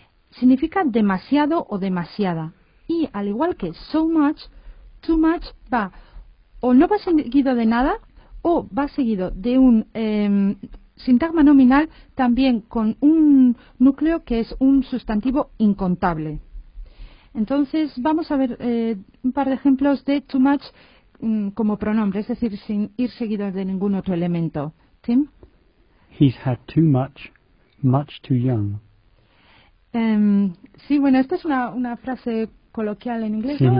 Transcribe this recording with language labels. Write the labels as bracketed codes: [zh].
[es] Significa demasiado o demasiada. Y al igual que so much, too much va o no va seguido de nada o va seguido de un sintagma nominal también con un núcleo que es un sustantivo incontable. Entonces, vamos a ver un par de ejemplos de too much como pronombre, es decir, sin ir seguido de ningún otro elemento. Tim. [en] He's had too much, much too young. [es] Sí, bueno, esta es una frase coloquial en inglés, sí. ¿No?